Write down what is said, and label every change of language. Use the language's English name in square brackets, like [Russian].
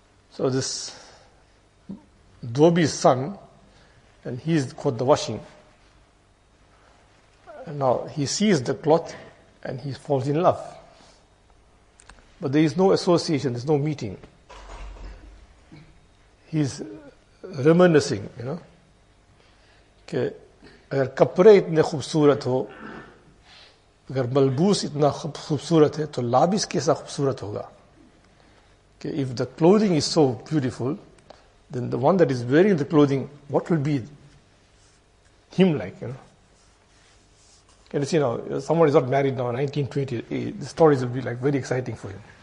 [English] So this Dhobi's son, and he's caught the washing. And now he sees the cloth and he falls in love. But there is no association, there's no meeting. He's reminiscing, you know. [Urdu] کہ اگر کپڑے اتنے خوبصورت ہو, اگر ملبوس اتنا خوبصورت ہے تو لابس کیسا خوبصورت ہوگا. کہ [English] if the clothing is so beautiful, then the one that is wearing the clothing, what will be him like, you know? Can you see now, someone is not married now, 1920, the stories will be like very exciting for him.